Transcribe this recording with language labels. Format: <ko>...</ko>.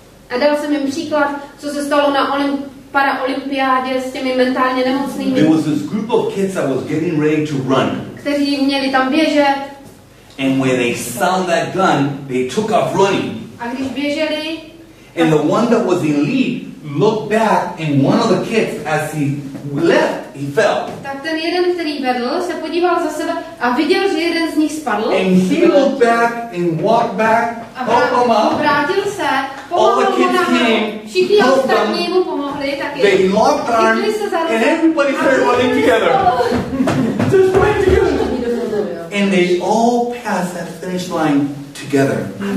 <cs>A dal jsem jim příklad, co se stalo na paraolympiádě s těmi mentálně nemocnými.</cs> <en>There was this group of kids that was getting ready to run.</en> <cs>Kteří měli tam běžet.</cs> <en>And when they saw that gun, they took off running.</en> <cs>A když běželi.</cs> <en>And the one that was in lead looked back, and one of the kids, as he left, he fell.</en> <cs>Tak ten jeden, který vedl, se podíval za sebe a viděl, že jeden z nich spadl.</cs> <en>And he looked back and walked back.</en> <cs>Vrátil se.</cs> <en>All the kids came, helped them, they locked arms, and everybody started running together. Just running together. And they all passed that finish line together.</en>